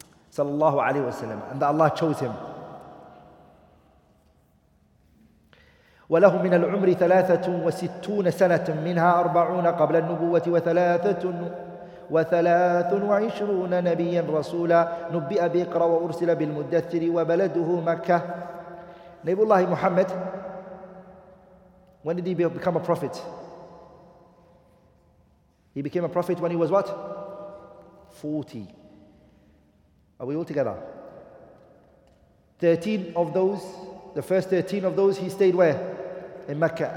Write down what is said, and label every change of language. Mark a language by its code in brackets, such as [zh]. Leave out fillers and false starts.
[en] sallallahu alayhi wasallam, and that Allah chose him. [ar] وله من العمر 63 سنة منها 40 قبل النبوة و23 نبيا رسولا نبئ بإقرا وأرسل بالمدثر وبلده مكة. [en] Nabiullah Muhammad, when did he become a prophet? He became a prophet when he was what? 40. Are we all together? 13 of those, the first 13 of those, he stayed where? In Mecca.